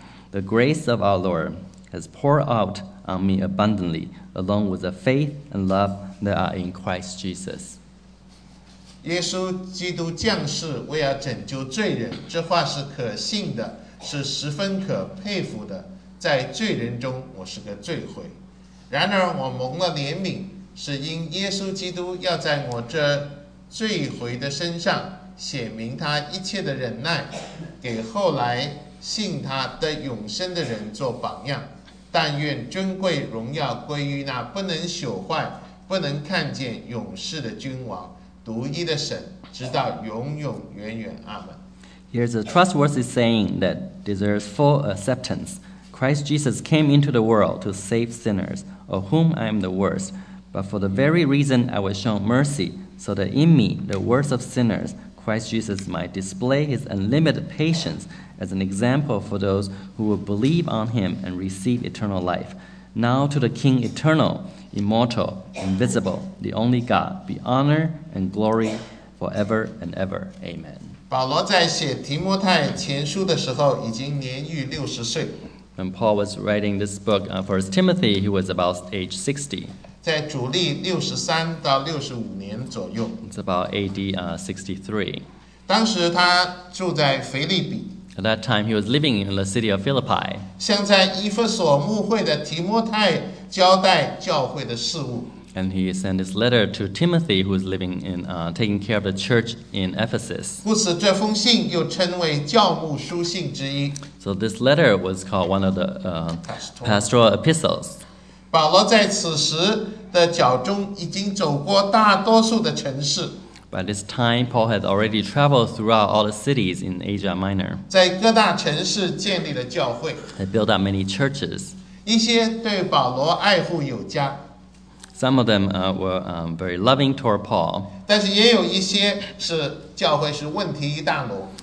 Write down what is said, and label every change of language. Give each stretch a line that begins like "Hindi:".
English: The grace of our Lord has poured out on me abundantly, along with the faith and love that are in Christ Jesus.
Chinese: 耶稣基督降世为要拯救罪人，这话是可信的，是十分可佩服的。在罪人中，我是个罪魁。然而我蒙了怜悯，是因耶稣基督要在我这罪魁的身上写明他一切的忍耐，给后来信他的永生的人做榜样。但愿尊贵荣耀归于那不能朽坏、不能看见、永世的君王、独一的神，直到永永远远。阿门。
English: Here's a trustworthy saying that deserves full acceptance. Christ Jesus came into the world to save sinners, of whom I am the worst. But for the very reason I was shown mercy, so that in me, the worst of sinners,Christ Jesus might display his unlimited patience as an example for those who will believe on him and receive eternal life. Now to the King eternal, immortal, invisible, the only God, be honor and glory forever and ever. Amen.
Chinese: 保罗在写提摩太前书的时候已经年逾六十岁。
English: When Paul was writing this book for his Timothy, he was about age 60.
Chinese: 在主历63到65年左右
English: It's about AD 63
Chinese: 当时他住在腓立比
English: At that time he was living in the city of Philippi
Chinese: 向在以弗所牧会的提摩太交代教会的事务
English: And he sent his letter to Timothy who was living in taking care of the church in Ephesus
Chinese: 故此这封信又称为教牧书信之一
English: So this letter was called one of the pastoral epistles
Chinese: 保罗在此时的脚中已经走过大多数的城市。
English: By this time, Paul had already traveled throughout all the cities in Asia Minor.
Chinese: 在各大城市建立了教会。
English: He built up many churches.
Chinese: 一些对保罗爱护有加。
English: Some of them were very loving toward Paul.
Chinese: 但是也有一些是教会是问题一大摞。